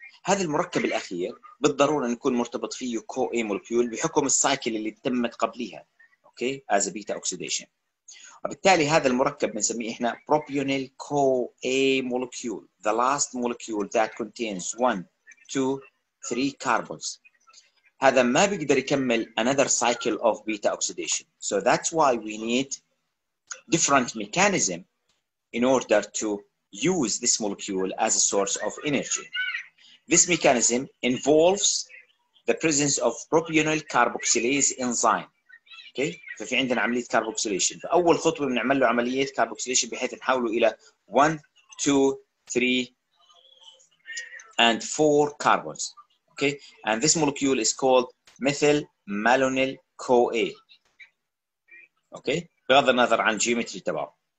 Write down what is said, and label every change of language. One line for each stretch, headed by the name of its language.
Arabic: هذا المركب الاخير بالضروره نكون مرتبط فيه كو اي مولكيول بحكم السايكل اللي تمت قبليها،
English: okay, as beta oxidation,
Arabic: وبالتالي هذا المركب بنسميه احنا بروبيونيل كو اي مولكيول،
English: The last molecule that contains 1 2 3 carbons.
Arabic: هذا ما بيقدر يكمل
English: another cycle of beta oxidation. So that's why we need different mechanism in order to use this molecule as a source of energy. This mechanism involves the presence of propionyl carboxylase enzyme. Okay?
Arabic: ففي عندنا عملية carboxylation. فأول خطوة بنعمل له عملية carboxylation بحيث نحوله إلى 1, 2, 3, and 4 carbons.
English: Okay, and this molecule is called methyl malonyl CoA. Okay,
Arabic: بغض النظر عن geometry تبعه.